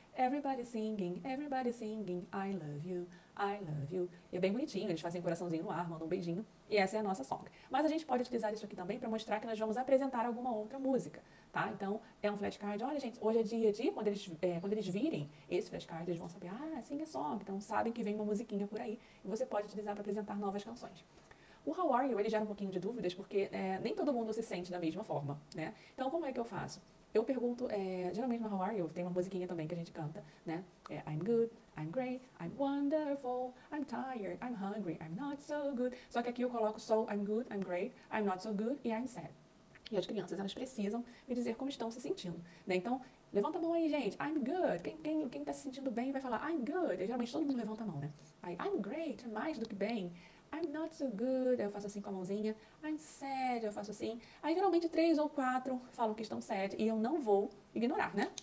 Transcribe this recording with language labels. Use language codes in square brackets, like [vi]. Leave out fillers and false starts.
[en] Everybody singing, I love you, I love you. [pt] E é bem bonitinho, eles fazem um coraçãozinho no ar, mandam um beijinho. E essa é a nossa song. Mas a gente pode utilizar isso aqui também para mostrar que nós vamos apresentar alguma outra música, tá? Então, é um flashcard. Olha, gente, hoje é dia de. Quando eles virem esse flashcard, eles vão saber, ah, [en] sing a song. [pt] Então, sabem que vem uma musiquinha por aí. E você pode utilizar para apresentar novas canções. O [en] how are you, [pt] ele gera um pouquinho de dúvidas, porque nem todo mundo se sente da mesma forma, né? Então, como é que eu faço? Eu pergunto, geralmente no [en] how are you, [pt] tem uma musiquinha também que a gente canta, né? [en] I'm good, I'm great, I'm wonderful, I'm tired, I'm hungry, I'm not so good. [pt] Só que aqui eu coloco só [en] I'm good, I'm great, I'm not so good [pt] e [en] I'm sad. [pt] E as crianças, elas precisam me dizer como estão se sentindo, né? Então, levanta a mão aí, gente. [en] I'm good. [pt] Quem tá se sentindo bem vai falar I'm good. E, geralmente, todo mundo levanta a mão, né? Aí, [en] I'm great, [pt] mais do que bem. [en] I'm not so good, [pt] eu faço assim com a mãozinha. [en] I'm sad, [pt] eu faço assim. Aí geralmente três ou quatro falam que estão sad e eu não vou ignorar, né?